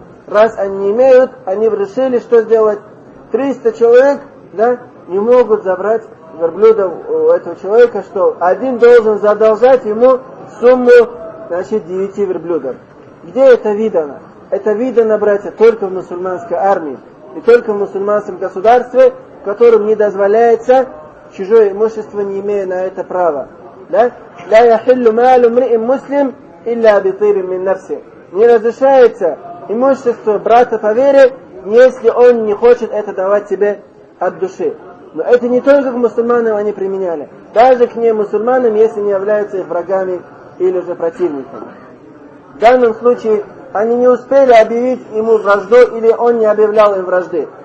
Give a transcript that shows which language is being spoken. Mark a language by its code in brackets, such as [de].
[ru] Раз они не имеют, они решили, что сделать. 300 человек, да, не могут забрать верблюда у этого человека, что один должен задолжать ему сумму, значит, 9 верблюдов. Где это видано? Это видано, братья, только в мусульманской армии и только в мусульманском государстве, которым не дозволяется чужое имущество, не имея на это права. Да? [ar] لا يحل مال امرئ مسلم إلا بطير من نفسه. [ru] Не разрешается имущество брата по вере, если он не хочет это давать тебе от души. Но это не только к мусульманам они применяли. Даже к немусульманам, если не являются их врагами или же противниками. В данном случае они не успели объявить ему вражду, или он не объявлял им вражды.